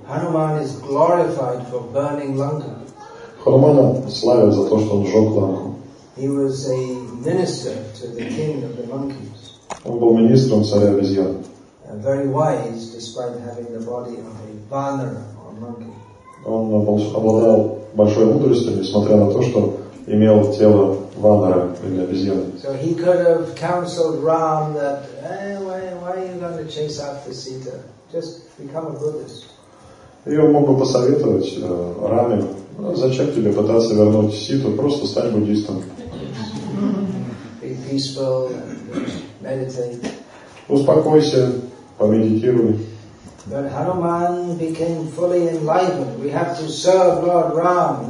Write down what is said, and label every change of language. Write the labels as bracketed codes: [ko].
[en] Hanuman is glorified for burning Lanka. [ru] Хануману славят за то, что он сжег Ланку. [en] He was a minister to the king of the monkeys. [ru] Он был министром царя обезьян. [en] Very wise, despite having the body of a vanara or monkey. [ru] Он обладал большой мудростью, несмотря на то, что имел тело ванара или обезьяны. [en] So he could have counseled Ram that, hey, why are you going to chase after Sita? Just become a Buddhist. [ru] И он мог бы посоветовать Раме, зачем тебе пытаться вернуть Ситу, просто стать буддистом. [en] Be peaceful, meditate. [ru] Успокойся, помедитируй. [en] But Hanuman became fully enlightened. We have to serve Lord Ram.